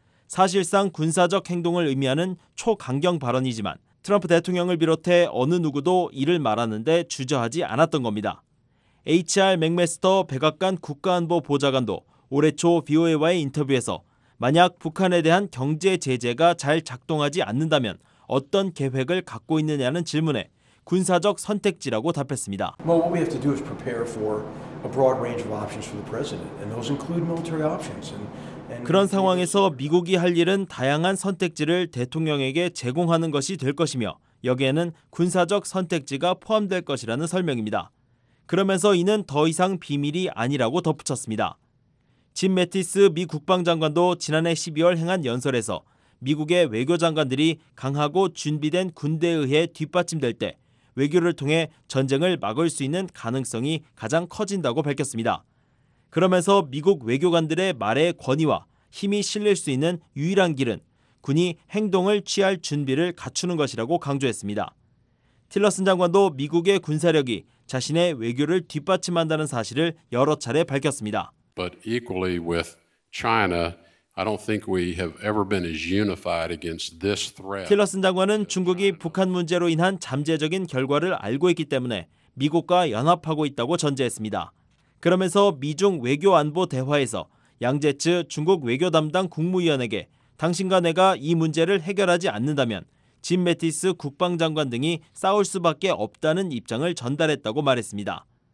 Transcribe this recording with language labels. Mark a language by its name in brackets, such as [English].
[Korean] 사실상 군사적 행동을 의미하는 초강경 발언이지만 트럼프 대통령을 비롯해 어느 누구도 이를 말하는데 주저하지 않았던 겁니다. H.R. 맥메스터 백악관 국가안보보좌관도 올해 초 VOA와의 인터뷰에서 만약 북한에 대한 경제 제재가 잘 작동하지 않는다면 어떤 계획을 갖고 있느냐는 질문에 군사적 선택지라고 답했습니다. [English] Well, what we have to do is prepare for a broad range of options for the president, and those include military options. [Korean] 그런 상황에서 미국이 할 일은 다양한 선택지를 대통령에게 제공하는 것이 될 것이며 여기에는 군사적 선택지가 포함될 것이라는 설명입니다. 그러면서 이는 더 이상 비밀이 아니라고 덧붙였습니다. 짐 매티스 미 국방장관도 지난해 12월 행한 연설에서 미국의 외교장관들이 강하고 준비된 군대에 의해 뒷받침될 때 외교를 통해 전쟁을 막을 수 있는 가능성이 가장 커진다고 밝혔습니다. 그러면서 미국 외교관들의 말에 권위와 힘이 실릴 수 있는 유일한 길은 군이 행동을 취할 준비를 갖추는 것이라고 강조했습니다. 틸러슨 장관도 미국의 군사력이 자신의 외교를 뒷받침한다는 사실을 여러 차례 밝혔습니다. [English] But equally with China, I don't think we have ever been as unified against this threat. [Korean] 틸러슨 장관은 중국이 북한 문제로 인한 잠재적인 결과를 알고 있기 때문에 미국과 연합하고 있다고 전제했습니다. 그러면서 미중 외교 안보 대화에서 양제츠 중국 외교 담당 국무위원에게 당신과 내가 이 문제를 해결하지 않는다면 짐 매티스 국방장관 등이 싸울 수밖에 없다는 입장을 전달했다고 말했습니다.